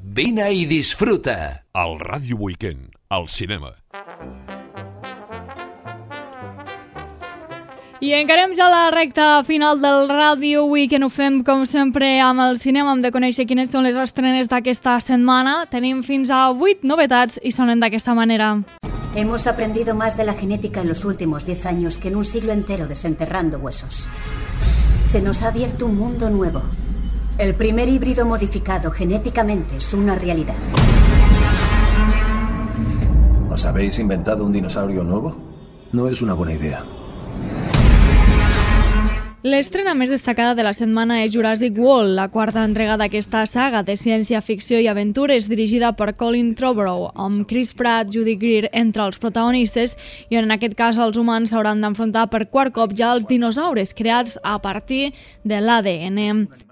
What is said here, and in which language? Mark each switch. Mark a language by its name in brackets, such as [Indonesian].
[Catalan] Vine i disfruta! El Ràdio Weekend, al cinema. I encarem ja la recta final del Ràdio Weekend. Ho fem, com sempre, amb el cinema. Hem de conèixer quines són les estrenes d'aquesta setmana. Tenim fins a 8 novetats i sonen d'aquesta manera. [Spanish] Hemos aprendido más de la genética en los últimos 10 años que en un siglo entero desenterrando huesos. Se nos ha abierto un mundo nuevo. El primer híbrido modificado genéticamente es una realidad. ¿Os habéis inventado un dinosaurio nuevo? No es una buena idea. [Catalan] L'estrena més destacada de la setmana és Jurassic World, la quarta entrega d'aquesta saga de ciència-ficció i aventures dirigida per Colin Trevorrow, amb Chris Pratt, Judy Greer entre els protagonistes, i on en aquest cas els humans s'hauran d'enfrontar per quart cop ja els dinosaures creats a partir de l'ADN.